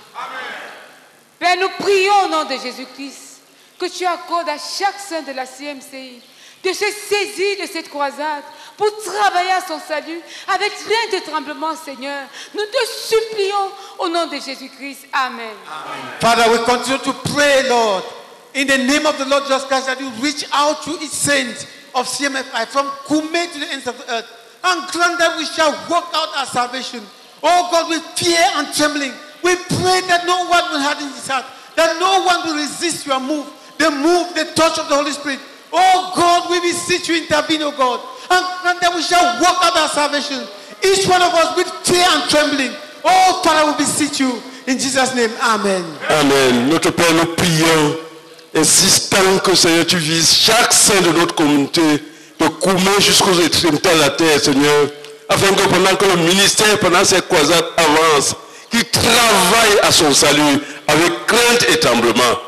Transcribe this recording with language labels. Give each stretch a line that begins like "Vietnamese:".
French: Amen. Père, nous prions au nom de Jésus-Christ que tu accordes à chaque saint de la CMCI de se saisir de cette croisade pour travailler à son salut avec plein de tremblements, Seigneur. Nous te supplions au nom de Jésus-Christ. Amen. Amen.
English: Father, we continue to pray, Lord, in the name of the Lord Jesus Christ, that you reach out to each saint of CMFI from Koumé to the ends of the earth. And grant that we shall work out our salvation. Oh God, with fear and trembling, we pray that no one will harden his heart, that no one will resist your move, the move, the touch of the Holy Spirit. Oh God, we beseech you intervene, oh God, and grant that we shall work out our salvation, each one of us with fear and trembling. Oh Father, we beseech you in Jesus' name. Amen. Amen.
French: Notre Père, nous prions, insistant que Seigneur, tu vises chaque saint de notre communauté, de Koumé jusqu'aux extrémités de la terre, Seigneur, afin que pendant que le ministère, pendant ces croisades avance, qu'il travaille à son salut avec crainte et tremblement.